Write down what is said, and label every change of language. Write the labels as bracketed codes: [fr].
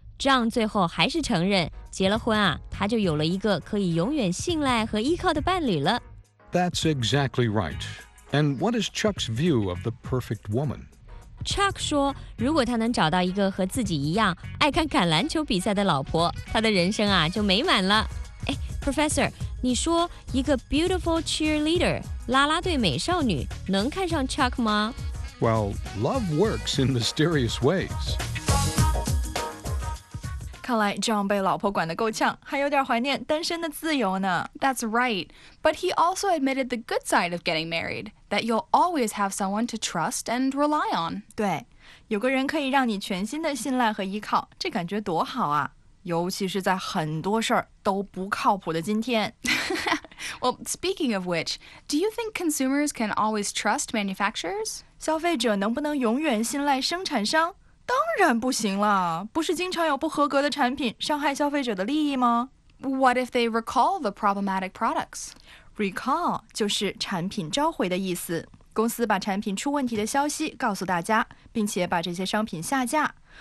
[zh] John 最后还是承认结了婚啊他就有了一个可以永远信赖和依靠的伴侣了。 [en] That's exactly right. And what is Chuck's view of the perfect woman? [zh] Chuck 说如果他能找到一个和自己一样爱看橄榄球比赛的老婆他的人生啊就美满了。哎 ,Professor, 你说一个 [en] beautiful cheerleader, [zh] 啦啦队美少女能看上 Chuck 吗 [en] ?Well, love works in mysterious ways. [zh] 看来 John 被老婆管得够呛还有点怀念单身的自由呢。 [en] That's right, but he also admitted the good side of getting married. That you'll always have someone to trust and rely on. [zh] 对，有个人可以让你全心的信赖和依靠，这感觉多好啊！尤其是在很多事儿都不靠谱的今天。 [en] Well, speaking of which, do you think consumers can always trust manufacturers? [zh] 消费者能不能永远信赖生产商？当然不行了，不是经常有不合格的产品伤害消费者的利益吗？ [en] What if they recall the problematic products? [zh] Recall 就是产品召回的意思。公司把产品出问题的消息告诉大家，并且把这些商品下架。